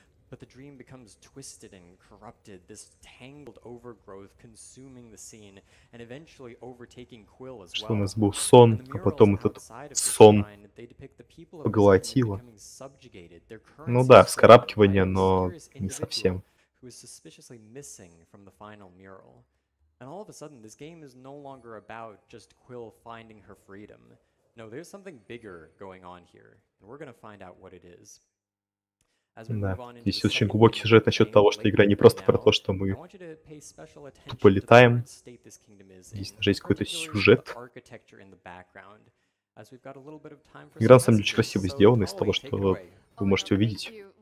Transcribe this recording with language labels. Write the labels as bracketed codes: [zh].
[en] But the dream becomes twisted and corrupted, this tangled overgrowth consuming the scene and eventually overtaking Quill as well. [ru] Что у нас был сон, а потом этот сон поглотило. Ну да, вскарабкивание, но не совсем. [en] Who is suspiciously missing from the final mural. And all of a sudden this game is no longer about just Quill finding her freedom. No, there's something bigger going on here, and we're going to find out what it is. [ru] Да, здесь очень глубокий сюжет насчет того, что игра не просто про то, что мы тупо летаем. Здесь даже есть какой-то сюжет. Игра, на самом деле, очень красиво сделана из того, что вы можете увидеть.